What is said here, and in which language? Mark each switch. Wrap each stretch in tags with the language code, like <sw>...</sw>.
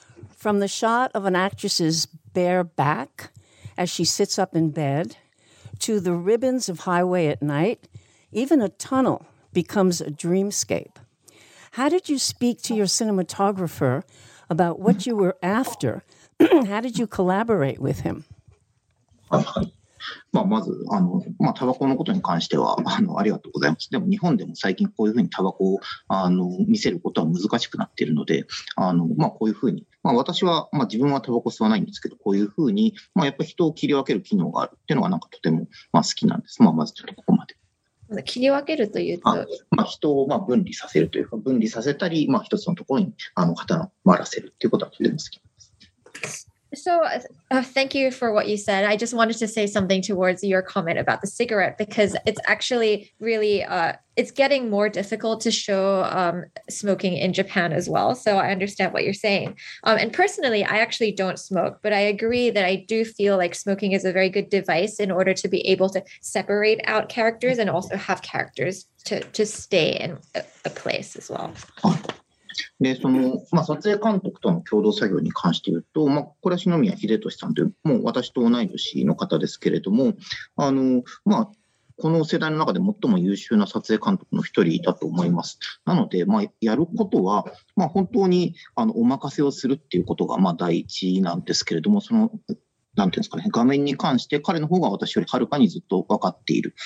<en>From the shot of an actress's bare back as she sits up in bed, to the ribbons of highway at night, even a tunnel becomes a dreamscape. How did you speak to your cinematographer about what you were after? How did you collaborate with him?</en> <ja>まあ、まずまあタバコのことに関してはありがとうございます。でも日本でも最近こういうふうにタバコを見せることは難しくなっているので、まあこういうふうに、まあ私は、まあ自分はタバコ吸わないんですけど、こういうふうに、まあやっぱ人を切り分ける機能があるっていうのがなんかとても、まあ、好きなんです。まあまずちょっとここまで。切り分けるというと、まあ、人をまあ分離させるというか、分離させたり、まあ一つのところに固まらせるっていうことはとても好きなんです。</ja> <en>So, thank you for what you said. I just wanted to say something towards your comment about the cigarette, because it's actually really, it's getting more difficult to show smoking in Japan as well. So I understand what you're saying. And personally, I actually don't smoke, but I agree that I do feel like smoking is a very good device in order to be able to separate out characters and also have characters to stay in a place as well.</en> <ja>でその、まあ、撮影監督との共同作業に関して言うと、まあ、これは篠宮秀俊さんというもう私と同い年の方ですけれども、まあ、この世代の中で最も優秀な撮影監督の一人だと思います。なので、まあ、やることは、まあ、本当にお任せをするっていうことがまあ第一なんですけれども、そのなんていうんですかね、画面に関して彼の方が私よりはるかにずっと分かっている。</ja>